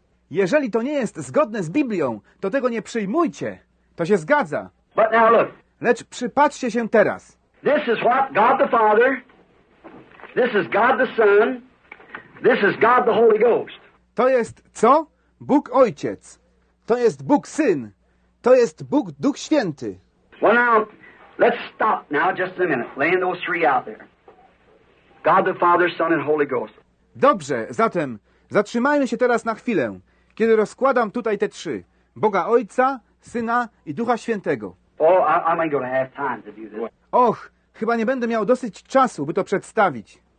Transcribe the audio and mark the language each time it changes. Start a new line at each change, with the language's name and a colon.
Polish: Jeżeli to nie jest zgodne z Biblią, to tego nie przyjmujcie. To się zgadza.
English: But now look.
Polish: Lecz przypatrzcie się teraz.
English: This is what God the Father, this is God the Son, this is God the Holy Ghost.
Polish: To jest co? Bóg Ojciec. To jest Bóg Syn. To jest Bóg Duch Święty.
English: Well now, let's stop now just a minute, laying those three out there. God the Father, Son and Holy Ghost.
Polish: Dobrze, zatem zatrzymajmy się teraz na chwilę, kiedy rozkładam tutaj te trzy: Boga Ojca, Syna i Ducha Świętego.
English: Oh, I'm going to have time to do this.
Polish: Och, chyba nie będę miał dosyć czasu, by to przedstawić.